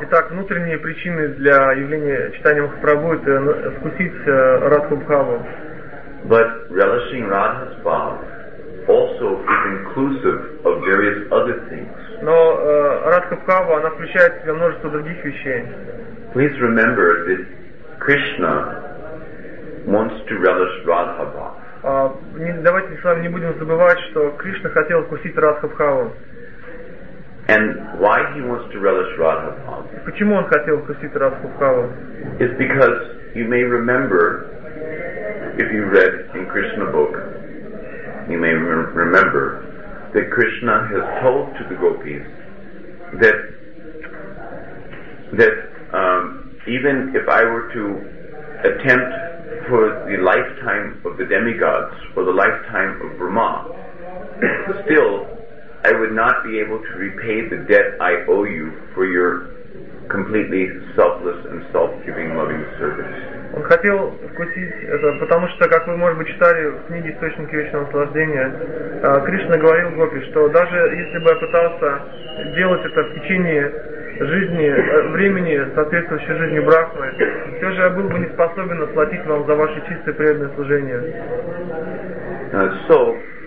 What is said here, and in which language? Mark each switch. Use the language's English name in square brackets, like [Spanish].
[Russian] Итак, внутренние причины для явления читания Махапрабху — это вкусить Радху Бхаву. [English] But relishing Radha's Bhava also is inclusive of various other things. [Russian] Но Радха Бхава, она включает в себя множество других вещей. [English] Please remember that Krishna wants to relish Radha Bhava. [Russian] Давайте с вами не будем забывать, что Кришна хотел вкусить Радха Бхаву. [English] And why he wants to relish Radha Bhava? [Russian] Почему он хотел вкусить Радху Бхаву? [English] It's because you may remember, if you read in Krishna book, you may remember that Krishna has told to the gopis that even if I were to attempt for the lifetime of the demigods or the lifetime of Brahma, still I would not be able to repay the debt I owe you for your completely selfless and self-giving loving service. [Russian] Он хотел вкусить это, потому что, как вы, может быть, читали в книге «Источники вечного наслаждения», Кришна говорил Гопи, что даже если бы я пытался делать это в течение жизни, времени, соответствующей жизни Брахмы, все же я был бы не способен отплатить вам за ваше чистое преданное служение.